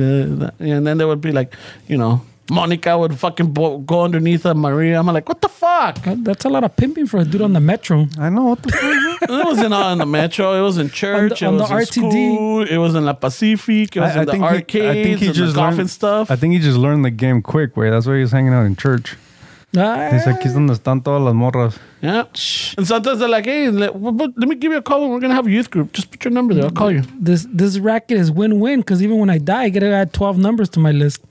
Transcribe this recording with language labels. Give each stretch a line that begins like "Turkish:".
English: And then there would be like, you know, Monica would fucking go underneath Maria. I'm like, what the fuck? That's a lot of pimping for a dude on the metro. I know. What the fuck? It wasn't on the metro. It was in church. It was in school. It was in La Pacific. It was in the arcades and the golf and stuff. I think he just learned the game quick. Wait, that's why he was hanging out in church.
Spanish: He's like, "Es donde están todas las morras."
English: Yeah. And sometimes they're like, "Hey, let me give you a call. We're going to have a youth group. Just put your number there. I'll call you." This racket is win-win, because even when I die, I get to add 12 numbers to my list.